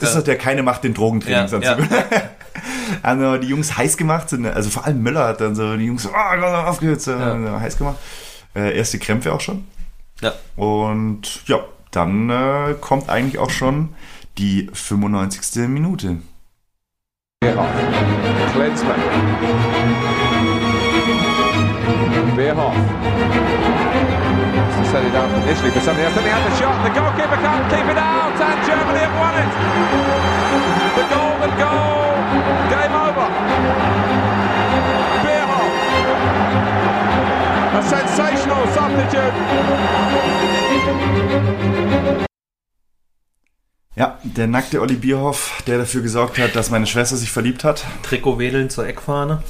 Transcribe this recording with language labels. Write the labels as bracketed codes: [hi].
[de] Das ist doch der keine macht, den Drogentrainingsanzug. Ja. haben dann die Jungs heiß gemacht, also vor allem Möller hat dann so die Jungs heiß gemacht. Erste Krämpfe auch schon. Ja. Und ja, dann kommt eigentlich auch schon die 95. Minute. [en] Wehrhoff, Klinsmann, Wehrhoff, to set it up initially for somebody else, then he had the shot, the goalkeeper can't keep it out, and Germany have won it, the golden goal, game over, Wehrhoff, a sensational substitute. [de] Ja, der nackte Olli Bierhoff, der dafür gesorgt hat, dass meine Schwester sich verliebt hat. Trikot wedeln zur Eckfahne.